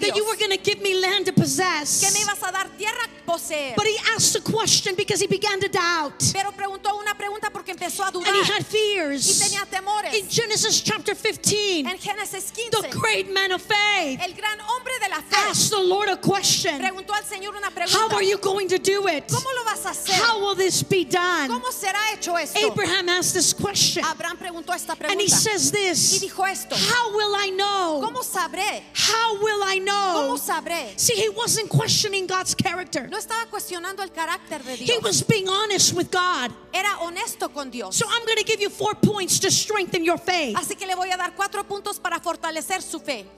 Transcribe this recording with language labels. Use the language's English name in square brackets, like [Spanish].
[English] that you were going to give me land to possess. [Spanish] Que me ibas a dar tierra a poseer. [English] But he asked a question because he began to doubt. [Spanish] Pero preguntó una pregunta porque empezó a dudar. [English] And he had fears. [Spanish] Y tenía temores. [English] In Genesis chapter 15, [Spanish] en Génesis 15, [English] the great man of faith, [Spanish] el gran hombre de la fe, [English] asked the Lord a question. [Spanish] Preguntó al Señor una pregunta. [English] How are you going to do it? [Spanish] ¿Cómo lo vas a hacer? [English] How will this be done? [Spanish] ¿Cómo será hecho esto? [English] Abraham asked this question. [Spanish] Abraham preguntó esta pregunta. [English] And he says this. [Spanish] Y dijo esto. [English] How will I know? [Spanish] ¿Cómo sabré? [English] How will I know? [Spanish] ¿Cómo sabré? [English] See, he wasn't questioning God's character. [Spanish] No estaba cuestionando el carácter de Dios. [English] He was being honest with God. [Spanish] Era honesto con Dios. [English] So I'm going to give you 4 points to strengthen your faith. [Spanish] Así que le voy a dar 4 puntos para fortalecer su fe.